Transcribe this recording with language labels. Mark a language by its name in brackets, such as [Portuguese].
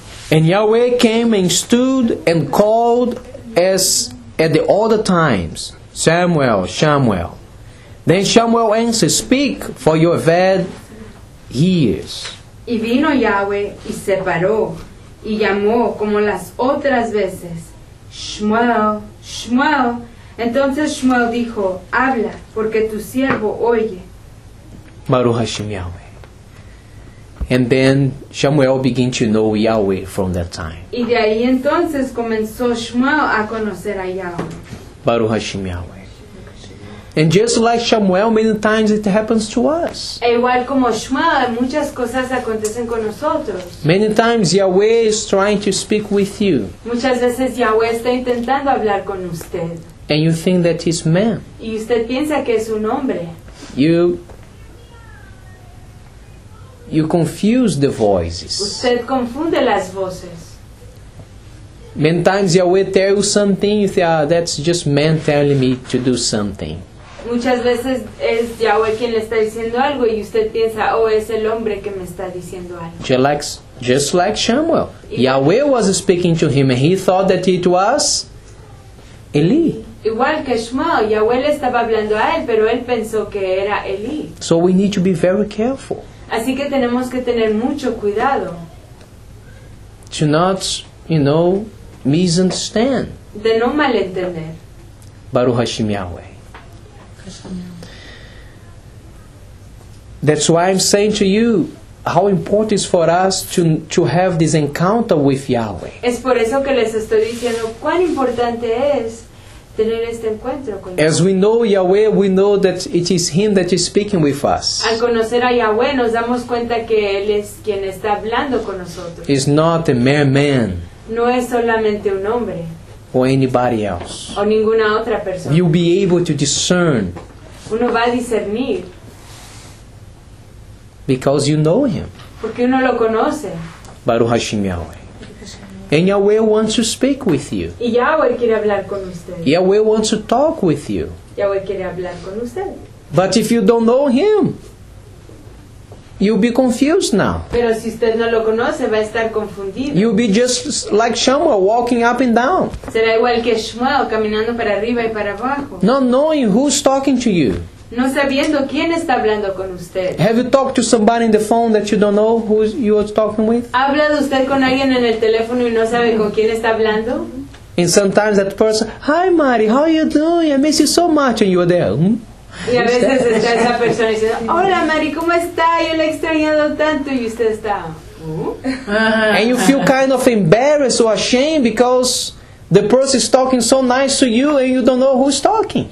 [English] And Yahweh came and stood and called as at the other times, Samuel, Shamuel. Then Shamuel answered, speak, for your Ebed hears. [Spanish] Y vino Yahweh y se paró y llamó como las otras veces, Shmuel, Shmuel. Entonces Shmuel dijo, habla, porque tu siervo oye. [Hebrew] Baruch Hashem Yahweh. [English] And then Shamuel began to know Yahweh from that time. [Spanish] Y de ahí entonces comenzó Shmuel a conocer a Yahweh. [Hebrew] Baruch Hashem Yahweh. [English] And just like Shamuel, many times it happens to us. [Spanish] Igual como Shmuel, muchas cosas acontecen con nosotros. [English] Many times Yahweh is trying to speak with you. [Spanish] Muchas veces Yahweh está intentando hablar con usted. [English] And you think that he's man. [Spanish] Y usted piensa que es un hombre. [English] You confuse the voices. [Spanish] Usted confunde las voces. [English] Many times Yahweh tells something, you think, ah, that's just man telling me to do something. [Spanish] Muchas veces es Yahweh quien le está diciendo algo y usted piensa, oh, es el hombre que me está diciendo algo. [English] Just like Shamuel. Yahweh was speaking to him and he thought that it was Eli. [Spanish] Igual que Shmuel, Yahweh le estaba hablando a él, pero él pensó que era Eli. [English] So we need to be very careful. [Spanish] Así que tenemos que tener mucho cuidado. [English] To not, you know, misunderstand. [Spanish] De no malentender. [Hebrew] Baruch Hashem Yahweh. [English] That's why I'm saying to you how important it is for us to have this encounter with Yahweh. [Spanish] Es por eso que les estoy diciendo cuán importante es tener este encuentro con [English] Dios. As we know Yahweh, we know that it is Him that is speaking with us. [Spanish] Al conocer a Yahweh, nos damos cuenta que Él es quien está hablando con nosotros. [English] He's not a mere man. [Spanish] No es solamente un hombre. [English] Or anybody else. [Spanish] O ninguna otra persona. [English] You'll be able to discern. [Spanish] Uno va a discernir. [English] Because you know Him. [Spanish] Porque uno lo conoce. [Hebrew] Baruch Hashem Yahweh. [English] And Yahweh wants to speak with you. [Spanish] Y Yahweh quiere hablar con usted. [English] Yahweh wants to talk with you. [Spanish] Yahweh quiere hablar con usted. [English] But if you don't know Him, you'll be confused now. [Spanish] Pero si usted no lo conoce, va a estar confundido. [English] You'll be just like Shmuel, walking up and down. [Spanish] Será igual que Shmuel, caminando para arriba y para abajo. [English] Not knowing who's talking to you. [Spanish] No sabiendo quién está hablando con usted. [English] Have you talked to somebody in the phone that you don't know who you are talking with? [Spanish] ¿Ha hablado usted con alguien en el teléfono y no sabe con quién está hablando? [English] And sometimes that person, "Hi Mari, how are you doing? I miss you so much," and you are there. [Spanish] Y a veces está esa persona diciendo, "Hola Mari, ¿cómo está? Yo la he extrañado tanto," y usted está. [English] And you feel kind of embarrassed or ashamed because the person is talking so nice to you and you don't know who's talking.